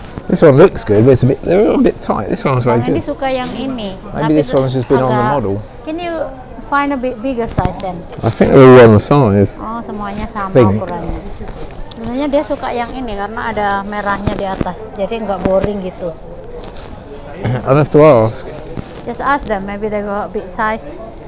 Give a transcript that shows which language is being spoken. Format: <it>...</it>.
<en>This one looks good, but it's a bit, they're a bit tight. This one's very good.</en> <id>Suka yang ini.</id> <en>Maybe this one's just been on the model. Can you find a bit bigger size then? I think they're all one size.</en> <id>Oh, semuanya sama ukurannya. Sebenarnya dia suka yang ini karena ada merahnya di atas, jadi nggak boring gitu.</id> <en>I'll have to ask. Just ask them, maybe they got a big size.</en>